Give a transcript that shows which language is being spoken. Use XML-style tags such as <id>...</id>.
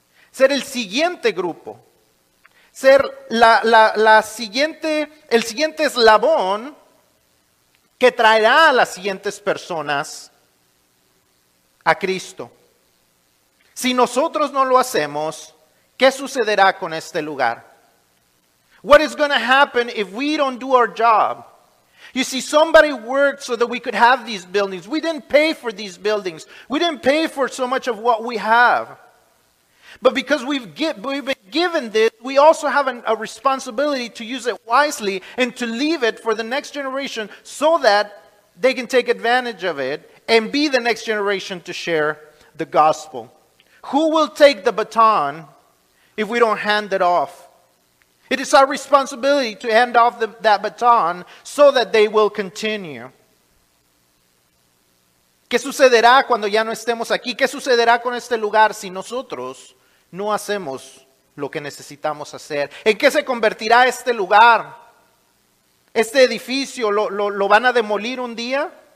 <es>Ser el siguiente grupo. Ser el siguiente eslabón que traerá a las siguientes personas a Cristo. Si nosotros no lo hacemos, ¿qué sucederá con este lugar?</es> <en>What is going to happen if we don't do our job? You see, somebody worked so that we could have these buildings. We didn't pay for these buildings. We didn't pay for so much of what we have. But because we've been given this, we also have a responsibility to use it wisely and to leave it for the next generation so that they can take advantage of it and be the next generation to share the gospel. Who will take the baton if we don't hand it off? It is our responsibility to hand off that baton so that they will continue.</en> <es>¿Qué sucederá cuando ya no estemos aquí? ¿Qué sucederá con este lugar si nosotros no hacemos lo que necesitamos hacer? ¿En qué se convertirá este lugar? ¿Este edificio lo van a demolir un día?</es>